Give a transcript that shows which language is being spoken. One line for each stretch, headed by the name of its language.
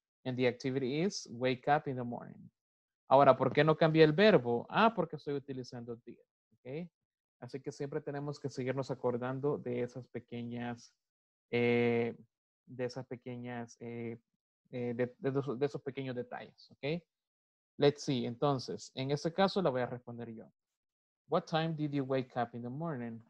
English: And the activity is wake up in the morning.
Spanish: Ahora, ¿por qué no cambié el verbo? Ah, porque estoy utilizando did. ¿Ok? Así que siempre tenemos que seguirnos acordando de esas pequeñas de esos pequeños detalles, ¿ok?
English: Let's see,
Spanish: entonces, en este caso la voy a responder yo.
English: What time did you wake up in the morning?